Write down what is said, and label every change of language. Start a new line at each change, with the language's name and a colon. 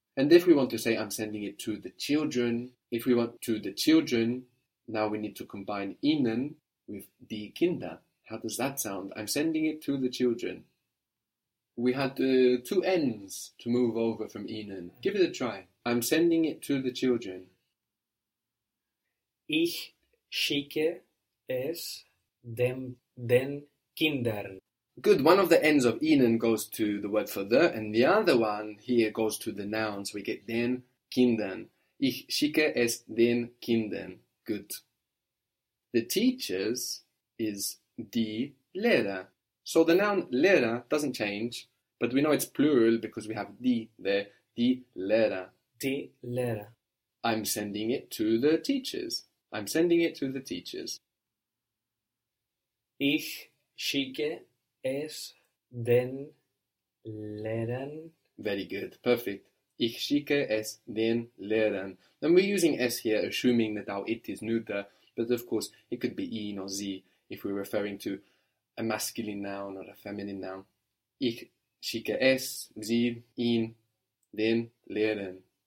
English: And if we want to say I'm sending it to the children, if we want to the children, now we need to combine Ihnen with die Kinder. How does that sound? I'm sending it to the children. We had two N's to move over from Ihnen. Give it a try. I'm sending it to the children.
German: Ich schicke es den Kindern.
English: Good. One of the ends of ihnen goes to the word for the, and the other one here goes to the noun. So we get
German: den Kindern. Ich schicke es den Kindern.
English: Good. The teachers is die Lehrer. So the noun Lehrer doesn't change, but we know it's plural because we have die there.
German: Die Lehrer. Die Lehrer.
English: I'm sending it to the teachers. I'm sending it to the teachers.
German: Ich schicke es den Lehrern.
English: Very good. Perfect.
German: Ich schicke es den Lehrern.
English: And we're using es here, assuming that our it is neuter, but of course it could be ihn or sie if we're referring to a masculine noun or a feminine noun.
German: Ich schicke es, sie, ihn, den Lehrern.